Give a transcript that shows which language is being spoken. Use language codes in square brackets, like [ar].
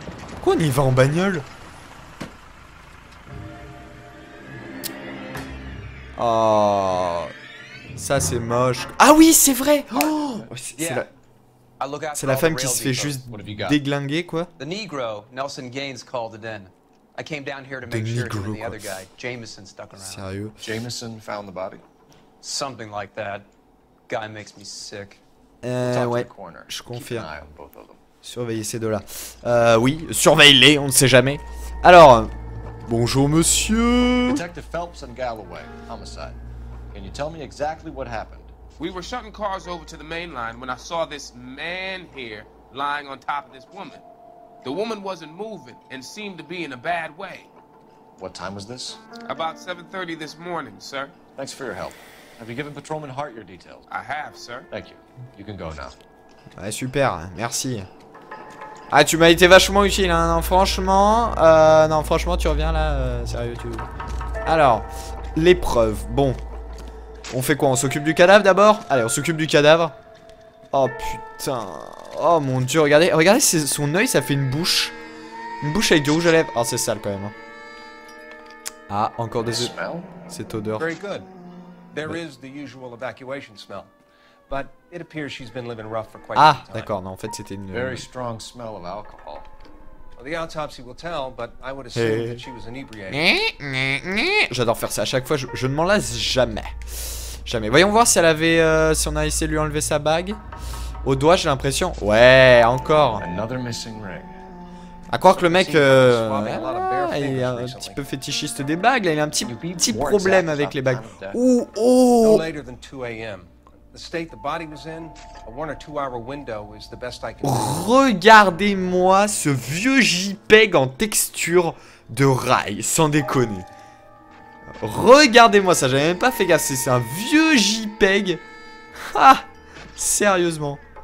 [fr] Pourquoi on y va en bagnole? Oh... Ça c'est moche. Ah oui, c'est vrai. Oh, c'est la femme qui se fait juste déglinguer quoi. [en] The Negro, Nelson Gaines called it in. I came down here to make sure the other guy, Jameson, stuck around. [fr] Sérieux? [en] Jameson found the body. Something like that. Guy makes me sick. [fr] Ouais. Je confirme. Surveillez ces deux-là. Oui, surveillez-les, on ne sait jamais. Alors, bonjour monsieur. [en] Detective Phelps and Galloway, homicide. Can you tell me exactly what happened? We were shutting cars over to the main line when I saw this man here lying on top of this woman. The woman wasn't moving and seemed to be in a bad way. What time was this? About 7:30 this morning, sir. Thanks for your help. Have you given Patrolman Hart your details? I have, sir. Thank you. You can go now. [fr] Ouais, super, merci. Ah, tu m'as été vachement utile, hein. Non, franchement, tu reviens là, sérieux, tu... Alors, l'épreuve, bon. On fait quoi? On s'occupe du cadavre d'abord? Allez, on s'occupe du cadavre. Oh putain. Oh mon dieu, regardez. Regardez son œil, ça fait une bouche. Une bouche avec du rouge à lèvres. Oh, c'est sale quand même. Ah, encore des œufs. Cette odeur. [en] Very good. There is the usual evacuation smell. But it appears she's been living rough for quite some time. [fr] Ah, d'accord. Non, en fait, c'était une [en] very strong smell of alcohol. The autopsy will tell, but I would assume that she was inebriated. [fr] J'adore faire ça à chaque fois, je ne m'en lasse jamais. Jamais. Voyons voir si elle avait si on a essayé de lui enlever sa bague. Au doigt, j'ai l'impression. Ouais, encore. [en] Another missing ring. [fr] À croire que le mec il est un petit peu fétichiste des bagues, là, il a un petit problème avec les bagues. Ouh, oh. [en] No later than 2 a.m. The state the body was in, a 1 or 2 hour window is the best I can. [fr] Regardez-moi ce vieux JPEG en texture de rail, sans déconner. Regardez-moi ça, j'avais même pas fait gaffe, c'est un vieux JPEG. Ha! Sérieusement.